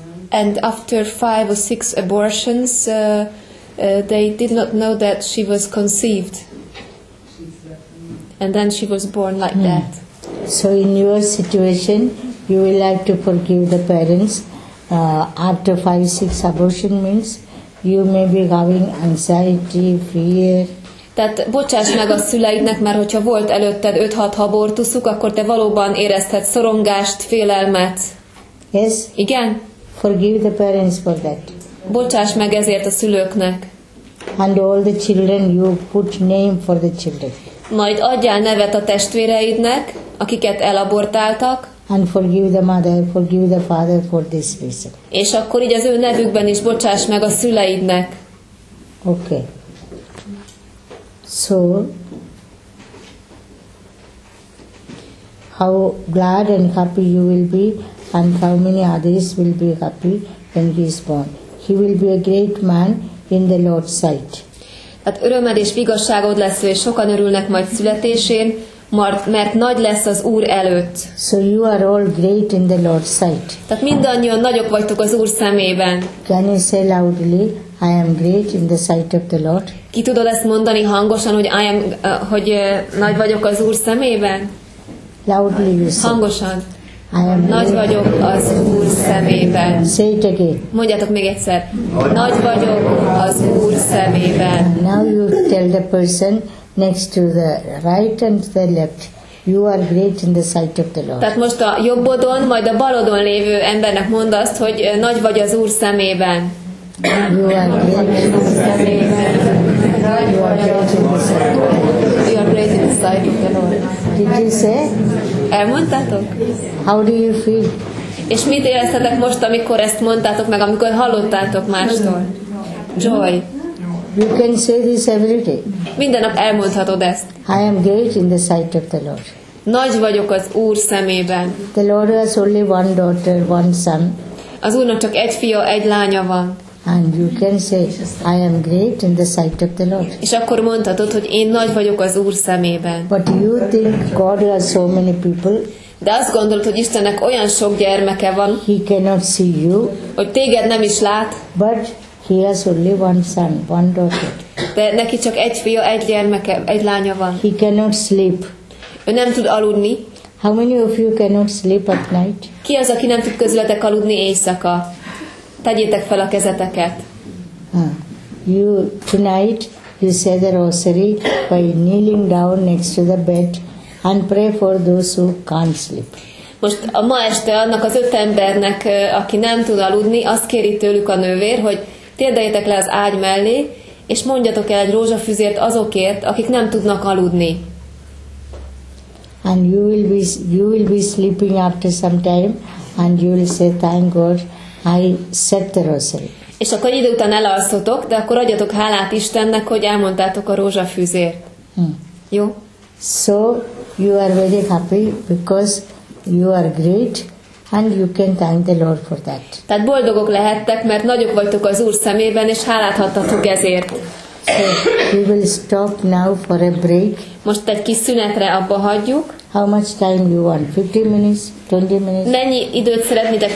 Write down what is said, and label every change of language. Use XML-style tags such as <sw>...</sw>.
<en>And after 5 or 6 abortions, they did not know that she was conceived. And then she was born like that. So in your situation, you will have to forgive the parents. After 5, 6 abortion means you may be having anxiety, fear.</en> <hu>Tehát bocsáss meg a szüleidnek, mert hogyha volt előtted 5-6 abortuszuk, akkor te valóban érezted szorongást, félelmet.</hu> <en>Yes?</en> <hu>Igen?</hu> <en>Forgive the parents for that.</en> <hu>Bocsáss meg ezért a szülőknek.</hu> <en>And all the children, you put name for the children.</en> <hu>Majd adjál nevet a testvéreidnek, akiket elabortáltak.</hu> <en>And forgive the mother, forgive the father for this reason.</en> <hu>És akkor így az ő nevükben is bocsáss meg a szüleidnek.</hu> <en>Okay. So, how glad and happy you will be, and how many others will be happy when he is born. He will be a great man in the Lord's sight.</en> <hu>Tehát örömed és vigasságod lesz, és sokan örülnek majd születésén, mert nagy lesz az Úr előtt.</hu> <en>So you are all great in the Lord's sight.</en> <hu>Tehát mindannyian nagyok vagytok az Úr szemében.</hu> <en>Can you say loudly, I am great in the sight of the Lord?</en> <hu>Ki tudod ezt mondani hangosan, hogy</hu> <en>I am,</en> <hu>hogy nagy vagyok az Úr szemében?</hu> <en>Loudly you say.</en> <hu>Hangosan.</hu> <en>I am</en> <hu>nagy vagyok az Úr szemében.</hu> <en>Say it again.</en> <hu>Mondjátok még egyszer. Nagy vagyok az Úr szemében.</hu> <en>Now you tell the person next to the right and the left, you are great in the sight of the Lord.</en> <hu>Tehát most a jobbodon, majd a balodon lévő embernek mondd azt, hogy nagy vagy az Úr szemében.</hu> <en>You are great in the sight of the Lord. You are great in the sight of the Lord. Did you say?</en> <hu>Elmondtátok?</hu> <en>How do you feel?</en> <hu>És mit éreztetek most, amikor ezt mondtátok meg, amikor hallottátok mástól?</hu> <en>Joy. You can say this every day.</en> <hu>Minden nap elmondhatod ezt.</hu> <en>I am great in the sight of the Lord.</en> <hu>Nagy vagyok az Úr szemében.</hu> <en>The Lord has only one daughter, one son.</en> <hu>Az Úrnak csak egy fia, egy lánya van.</hu> <en>And you can say, I am great in the sight of the Lord.</en> <hu>És akkor mondhatod, hogy én nagy vagyok az Úr szemében.</hu> <en>But you think God has so many people.</en> <hu>De azt gondolod, hogy Istennek olyan sok gyermeke van.</hu> <en>He cannot see you.</en> <hu>Hogy téged nem is lát.</hu> <en>But he has only one son, one daughter.</en> <hu>De neki csak egy fia, egy gyermeke, egy lánya van.</hu> <en>He cannot sleep.</en> <hu>Ő nem tud aludni.</hu> <en>How many of you cannot sleep at night?</en> <hu>Ki az, aki nem tud közületek aludni éjszaka? Tegyétek fel a kezeteket.</hu> <en>You tonight you say the rosary by kneeling down next to the bed and pray for those who can't sleep.</en> <hu>Most a ma este annak az öt embernek, aki nem tud aludni, azt kéri tőlük a nővér, hogy térdeljetek le az ágy mellé, és mondjatok el egy rózsafüzért azokért, akik nem tudnak aludni.</hu> <en>And you will be sleeping after some time, and you will say thank God. I said the rosary.</en> <hu>És akkor idő után elalszotok, de akkor adjatok hálát Istennek, hogy elmondtátok a rózsafűzért. Jó?</hu> <en>So, you are very happy because you are great and you can thank the Lord for that.</en> <hu>Tehát boldogok lehettek, mert nagyok vagytok az Úr szemében, és hálát adhattok ezért.</hu> <en>So, we will stop now for a break.</en> <hu>Most egy kis szünetre abba hagyjuk.</hu> <en>How much time you want? 15 minutes? 20 minutes?</en> <hu>Mennyi időt szeretnétek?</hu>